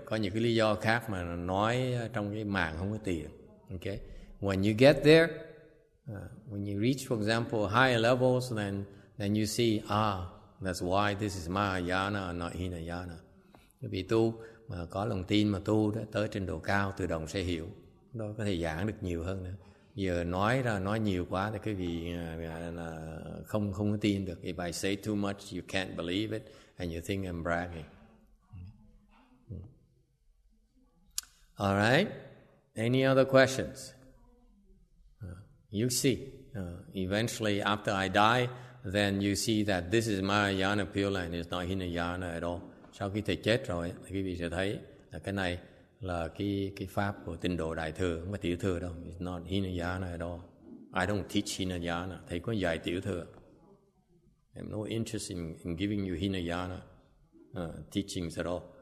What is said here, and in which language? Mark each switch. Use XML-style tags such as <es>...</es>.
<vi>Có những cái lý do khác mà nói trong cái màn không có tiền.</vi> <en>Okay. When you get there, when you reach, for example, higher levels, then you see, that's why this is Mahayana, not Hinayana.</en> <vi>Vì tu mà có lòng tin mà tu đó, tới trình độ cao tự động sẽ hiểu. Đó có thể giảng được nhiều hơn nữa. Giờ nói ra nói nhiều quá thì quý vị không có tin được.</vi> <en>If I say too much, you can't believe it and you think I'm bragging. All right. Any other questions? You see. Eventually, after I die, then you see that this is Mahayana Pure Land, it's not Hinayana at all.</en> <vi>Sau khi thầy chết rồi, quý vị sẽ thấy là cái này là cái pháp của tịnh độ đại thừa, không phải tiểu thừa đâu.</vi> <en>It's not Hinayana at all. I don't teach Hinayana.</en> <vi>Thầy có dạy tiểu thừa.</vi> <en>I have no interest in giving you Hinayana teachings at all.</en>